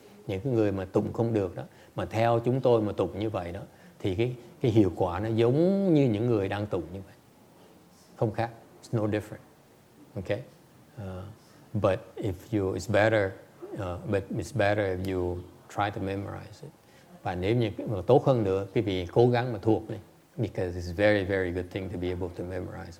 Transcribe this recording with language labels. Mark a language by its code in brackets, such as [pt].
[vi] Những cái người mà tụng không được đó, mà theo chúng tôi mà tụng như vậy đó, thì cái hiệu quả nó giống như những người đang tụng như vậy, không khác. [en] It's no different. Okay, but if you, it's better. But it's better if you try to memorize it. [vi] Và nếu như tốt hơn nữa, quý vị cố gắng mà thuộc đi. [en] Because it's very, very good thing to be able to memorize.